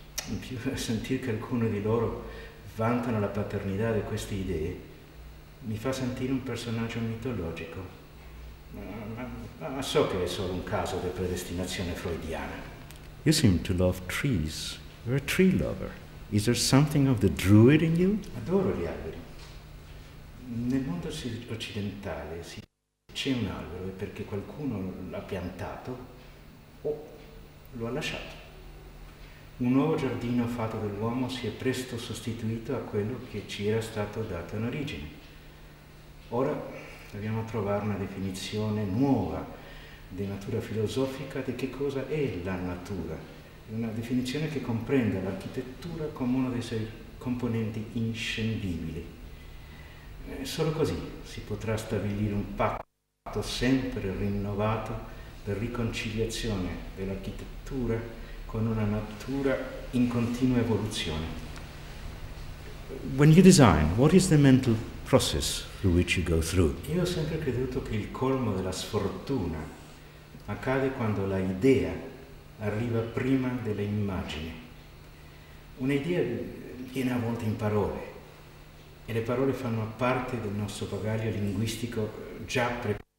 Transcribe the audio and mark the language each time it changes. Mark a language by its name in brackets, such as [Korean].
[Italian] In più, sentire che alcuni di loro vantano la paternità di queste idee mi fa sentire un personaggio mitologico, ma so che è solo un caso di predestinazione freudiana. [English] You seem to love trees. You're a tree lover. Is there something of the druid in you? [Italian] Adoro gli alberi. Nel mondo occidentale si c'è un albero è perché qualcuno l'ha piantato o lo ha lasciato. Un nuovo giardino fatto dall'uomo si è presto sostituito a quello che ci era stato dato in origine. Ora dobbiamo trovare una definizione nuova di natura filosofica di che cosa è la natura. Una definizione che comprenda l'architettura come uno dei suoi componenti inscindibili. Solo così si potrà stabilire un patto sempre rinnovato per riconciliazione dell'architettura con una natura in continua evoluzione. [English] When you design, what is the mental process through which you go through? [Italian] Io ho sempre creduto che il colmo della sfortuna accade quando la idea arriva prima delle immagini. Un'idea viene a volte in parole e le parole fanno parte del nostro bagaglio linguistico già preparato.